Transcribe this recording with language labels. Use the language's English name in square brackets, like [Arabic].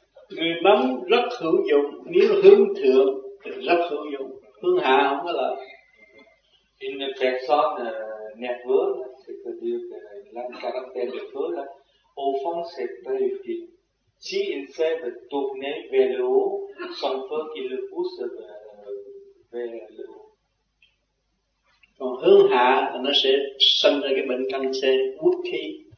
[Vietnamese] Người nóng rất hữu dụng, nếu hướng thượng thì rất hữu dụng, hướng hạ không có lợi. [French] Une personne nerveuse, c'est-à-dire que là un caractère de feu là, au fond c'est très utile. Si il sait de tourner vers le haut, son feu qui le pousse vers le haut. [Vietnamese] Còn hướng hạ là nó sẽ sinh ra cái bệnh căn xe, quốc khí.